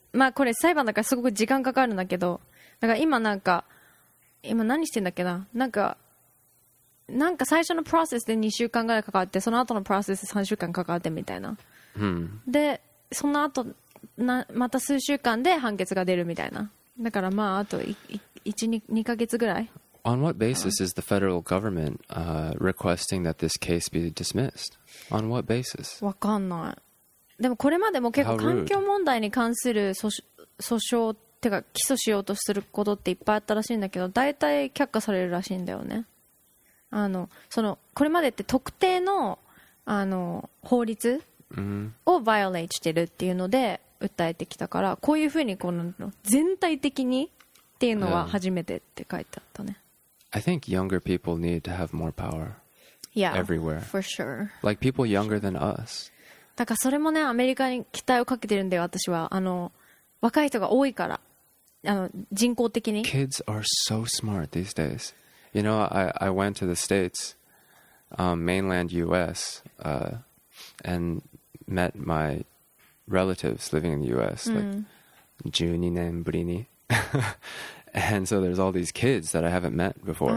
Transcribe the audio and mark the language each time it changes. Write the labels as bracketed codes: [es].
[ja] まあこれ裁判だからすごく時間かかるんだけど、だから今なんか、今何してんだっけな、なんか最初のプロセスで2週間ぐらいかかって、その後のプロセスで3週間かかってみたいな。で、その後な、また数週間で判決が出るみたいな。だからまああと1、2ヶ月ぐらい。 [en] On what basis is the federal government requesting that this case be dismissed? On what basis? [ja] わかんない。でもこれまでも結構環境問題に関する訴訟ってか起訴しようとすることっていっぱいあったらしいんだけど、大体却下されるらしいんだよね。あの、そのこれまでって特定の、あの法律をバイオレイトしてるっていうので訴えてきたから、こういうふうにこの全体的にっていうのは初めてって書いてあったね。 [en] I think younger people need to have more power. Yeah, everywhere. For sure. Like people younger than us. [ja] だからそれもね、アメリカに期待をかけてるんだよ、私は。あの、若い人が多いから。あの、人口的に。 [en] Kids are so smart these days. You know, I went to the States, mainland US, and met my relatives living in the US, like [ja] 12年ぶりに。 [en] And so there's all these kids that I haven't met before.